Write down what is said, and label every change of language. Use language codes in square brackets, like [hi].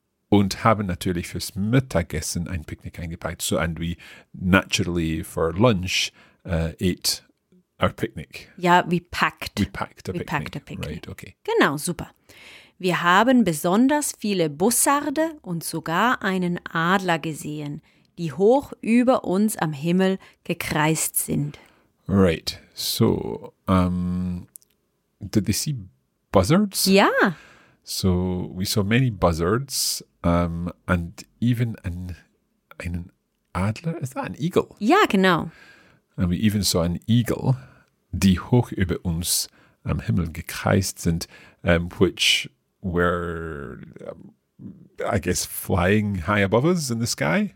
[de] Und haben natürlich fürs Mittagessen ein Picknick eingepackt. [en] So, and we naturally for lunch ate our picnic. Ja, we packed. We packed a we picnic. We packed a picnic. Right, okay. [de] Genau, super. Wir haben besonders viele Bussarde und sogar einen Adler gesehen, die hoch über uns am Himmel gekreist sind. [en] Right, so, did they see buzzards? [de] Ja. [en] So, we saw many buzzards. And even an Adler, is that an eagle? [de] Ja, genau. [en] And we even saw an eagle, [de] die hoch über uns am Himmel gekreist sind, [en] which were, I guess, flying high above us in the sky.